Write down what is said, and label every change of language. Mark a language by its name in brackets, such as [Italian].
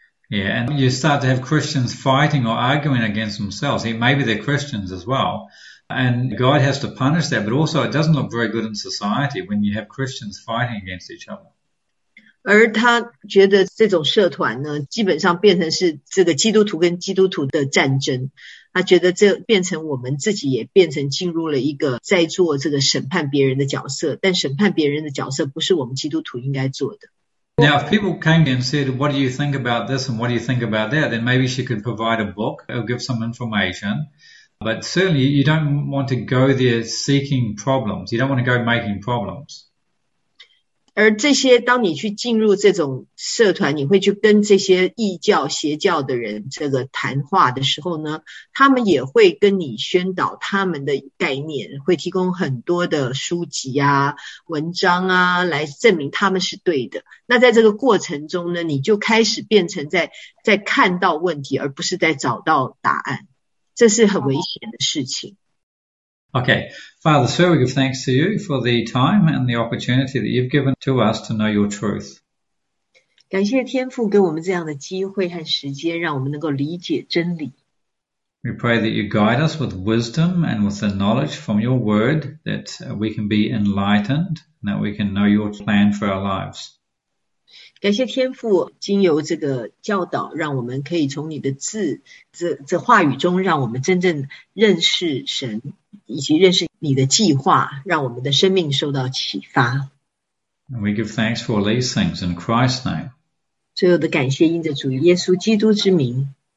[English] Yeah, and you start to have Christians fighting or arguing against themselves. Maybe they're Christians as well, And God has to punish that, but also it doesn't look very good in society when you have Christians fighting against each other. [Chinese] 而他觉得这种社团呢，基本上变成是这个基督徒跟基督徒的战争。他觉得这变成我们自己也变成进入了一个在做这个审判别人的角色，但审判别人的角色不是我们基督徒应该做的。 [English] Now, if people came and said, what do you think about this and what do you think about that, then maybe she could provide a book or give some information. But certainly, you don't want to go there seeking problems. You don't want to go making problems. [Chinese] 而这些当你去进入这种社团，你会去跟这些异教、邪教的人这个谈话的时候呢，他们也会跟你宣导他们的概念，会提供很多的书籍啊、文章啊，来证明他们是对的。那在这个过程中呢，你就开始变成在看到问题，而不是在找到答案。这是很危险的事情。 [English] Okay, Father, so we give thanks to you for the time and the opportunity that you've given to us to know your truth. [Chinese] 感谢天父给我们这样的机会和时间，让我们能够理解真理。 [English] We pray that you guide us with wisdom and with the knowledge from your word that we can be enlightened and that we can know your plan for our lives. [Chinese] 感谢天父经由这个教导，让我们可以从你的字，这话语中，让我们真正认识神。以及认识你的计划，让我们的生命受到启发。 [English] And we give thanks for these things in Christ's name. [Chinese] 最后的感谢因着主耶稣基督之名。